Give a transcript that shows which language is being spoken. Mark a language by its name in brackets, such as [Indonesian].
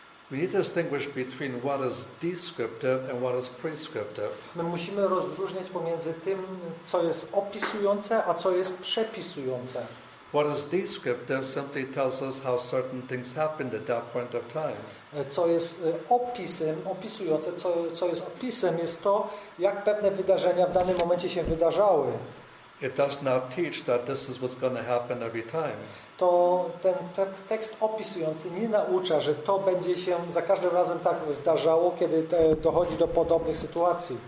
[English] We need to distinguish between what is descriptive and what is prescriptive. [Polish] My musimy rozróżniać pomiędzy tym, co jest opisujące, a co jest przepisujące. [English] What is descriptive simply tells us how certain things happened at that point of time. [Polish] Co jest opisem, opisujące, co jest opisem, jest to, jak pewne wydarzenia w danym momencie się wydarzały. [English] It does not teach that this is what's going to happen every time. [Polish] To ten tekst opisujący nie naucza, że to będzie się za każdym razem tak zdarzało, kiedy dochodzi do podobnych sytuacji.